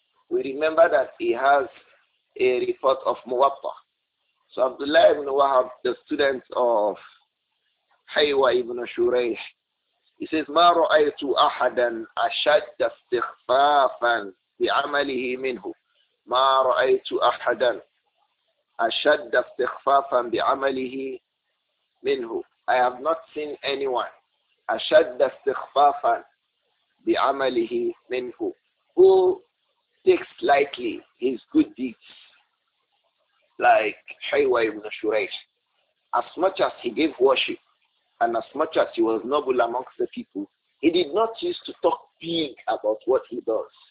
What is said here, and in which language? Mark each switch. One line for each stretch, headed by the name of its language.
English: We remember that he has a report of Muwatta. So Abdullah ibn Wahab, the student of Haywa ibn Shuraih, he says,
Arabic: ما رأيت أحدا أشد استخفافا بعمله منه. ما رأيت أحدا أشد استخفافا بعمله منه.
English: I have not seen anyone
Arabic: أشد استخفافا بعمله منه,
English: who takes lightly his good deeds, like Haywa ibn Shuraih. As much as he gave worship and as much as he was noble amongst the people, he did not use to talk big about what he does.